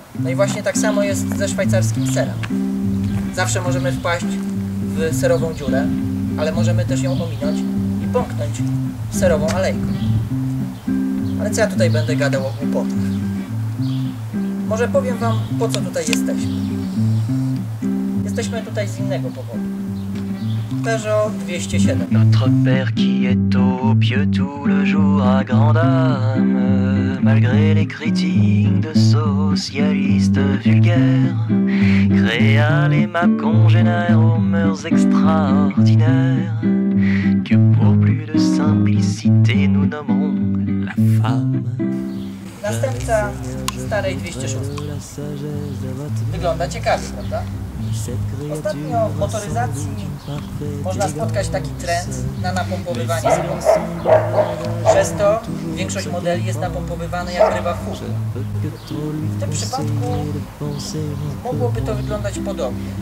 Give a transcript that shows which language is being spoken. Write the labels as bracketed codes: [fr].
[pl] No i właśnie tak samo jest ze szwajcarskim serem. Zawsze możemy wpaść w serową dziurę, ale możemy też ją ominąć i pąknąć serową alejką. Ale co ja tutaj będę gadał o głupotach? Może powiem wam, po co tutaj jesteśmy. Jesteśmy tutaj z innego powodu. Peugeot 207. [fr] Notre père qui est au pieu tout le jour à grande âme, malgré les critiques de socialistes vulgaires, créa les maps congénères aux mœurs extraordinaires, que pour plus de simplicité nous nommons la femme. [pl] Następca starej 206. Wygląda ciekawie, prawda? Ostatnio w motoryzacji można spotkać taki trend na napompowywanie samochodu. Przez to większość modeli jest napompowywana jak ryba w futrze. W tym przypadku mogłoby to wyglądać podobnie.